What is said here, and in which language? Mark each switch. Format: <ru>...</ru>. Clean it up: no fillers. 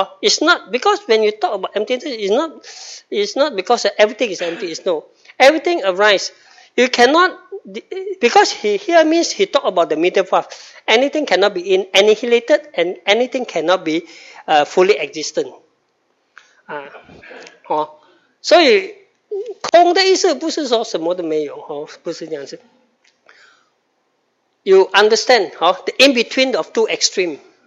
<en>It's not because when you talk about emptiness, it's not because everything is empty. It's no. Everything arises. You cannot, because he here means he talk about the middle path. Anything cannot be annihilated and anything cannot be fully existent.</en> <zh>So, 空的意思不是说什么都没有，不是这样子。</zh> <en>You understand, the in between of two extremes.</en>